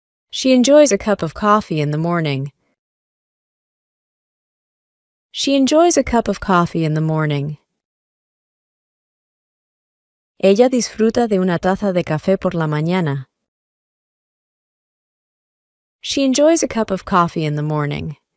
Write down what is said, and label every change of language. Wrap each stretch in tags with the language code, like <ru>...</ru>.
<en>She enjoys a cup of coffee in the morning. She enjoys a cup of coffee in the morning.</en> <es>Ella disfruta de una taza de café por la mañana.</es> <en>She enjoys a cup of coffee in the morning.</en>